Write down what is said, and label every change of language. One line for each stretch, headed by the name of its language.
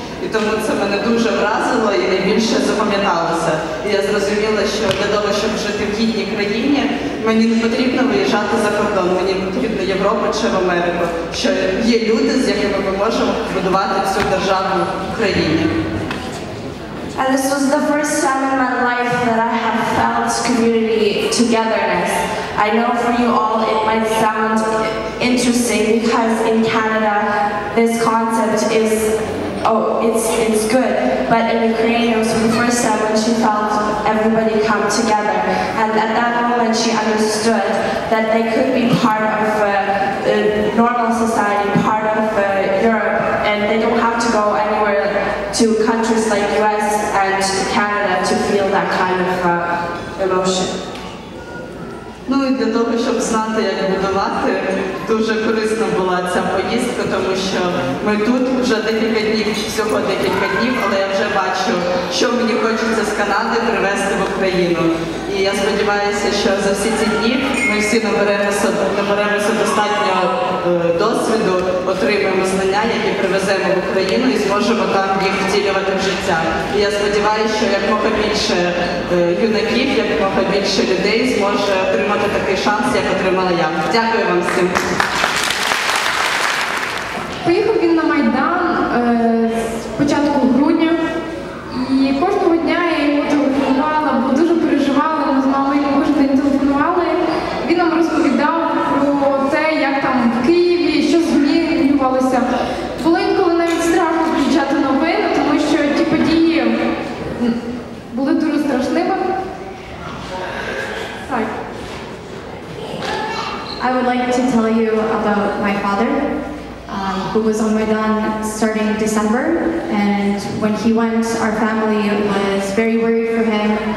Ukrainian: І тому це мене дуже вразило і найбільше запам'яталося. І я зрозуміла, що для того, щоб жити в гідній країні, мені не потрібно виїжджати за кордон, мені потрібно Європу чи в Америку, що є люди, з якими ми можемо будувати всю державу в країні.
English: And this was the first time in my life that I have felt community togetherness. I know for you all it might sound interesting because in Canada this concept is it's good. But in Ukraine, it was for the first time when she felt everybody come together. And at that moment, she understood that they could be part of a normal society, part of Europe, and they don't have to go anywhere to countries like US and Canada to feel that kind of emotion.
Ukrainian: Ну і для того, щоб знати, як будувати, дуже корисна була ця поїздка, тому що ми тут вже декілька днів, всього декілька днів, але я вже бачу, що мені хочеться з Канади привезти в Україну. І я сподіваюся, що за всі ці дні ми всі наберемося достатньо досвіду, отримаємо знання, які привеземо в Україну і зможемо там їх втілювати в життя. І я сподіваюся, що якомога більше юнаків, якомога більше людей зможе отримати такий шанс, як отримала я. Дякую вам всім. Поїхав він на Майдан з початку грудня. І кожного дня я йому телефонувала, бо дуже переживала, ми з мамою кожен день телефонували. Він нам розповідав про те, як там в Києві, що змінювалося. Було інколи навіть страшно включати новини, тому що ті події були дуже страшними. Так.
English: I would like to tell you about my father, who was on Maidan starting December. And when he went, our family was very worried for him.